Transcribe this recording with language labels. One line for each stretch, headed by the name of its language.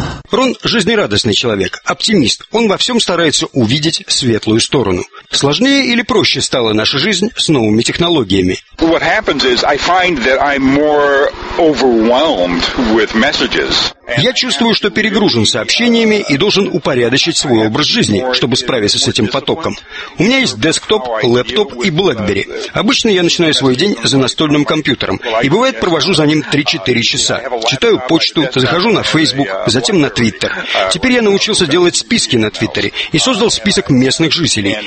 Russian: Рон жизнерадостный человек, оптимист. Он во всем старается увидеть светлую сторону. Сложнее или проще стала наша жизнь с новыми технологиями?
English: What happens is I find that I'm more overwhelmed with messages.
Russian: Я чувствую, что перегружен сообщениями и должен упорядочить свой образ жизни, чтобы справиться с этим потоком. У меня есть десктоп, лэптоп и BlackBerry. Обычно я начинаю свой день за настольным компьютером, и бывает провожу за ним 3-4 часа. Читаю почту, захожу на Facebook, затем на Twitter. Теперь я научился делать списки на Твиттере и создал список местных жителей.